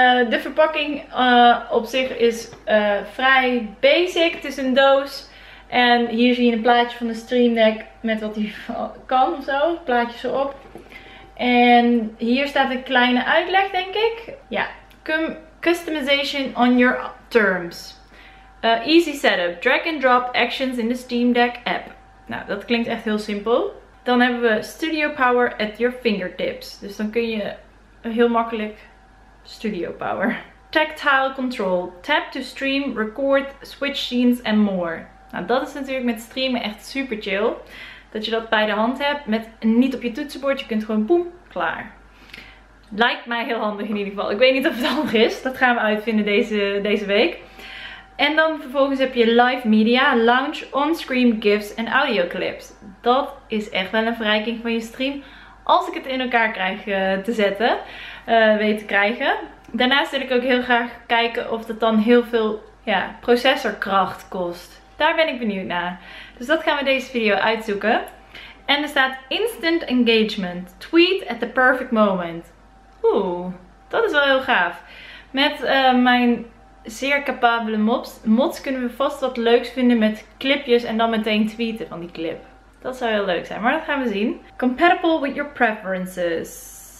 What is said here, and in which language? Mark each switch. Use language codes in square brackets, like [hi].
[nl] De verpakking op zich is vrij basic. Het is een doos. En hier zie je een plaatje van de Stream Deck met wat hij kan of zo. Plaatjes erop. En hier staat een kleine uitleg, denk ik. [en] Ja, customization on your terms. Easy setup, drag and drop actions in the Steam Deck app. [nl] Nou, dat klinkt echt heel simpel. Dan hebben we [en] studio power at your fingertips. [nl] Dus dan kun je heel makkelijk studio power. [en] Tactile control, tap to stream, record, switch scenes and more. [nl] Nou, dat is natuurlijk met streamen echt super chill. Dat je dat bij de hand hebt met niet op je toetsenbord. Je kunt gewoon boem, klaar. Lijkt mij heel handig in ieder geval. Ik weet niet of het handig is. Dat gaan we uitvinden deze week. En dan vervolgens heb je [en] live media, lounge, on-screen gifs [nl] en audioclips. Dat is echt wel een verrijking van je stream. Als ik het in elkaar krijg te zetten, weet te krijgen. Daarnaast wil ik ook heel graag kijken of dat dan heel veel processorkracht kost. Daar ben ik benieuwd naar. Dus dat gaan we deze video uitzoeken. En er staat instant engagement. [en] Tweet at the perfect moment. [nl] Oeh, dat is wel heel gaaf. Met mijn zeer capabele mods kunnen we vast wat leuks vinden met clipjes en dan meteen tweeten van die clip. Dat zou heel leuk zijn, maar dat gaan we zien. [en] Compatible with your preferences.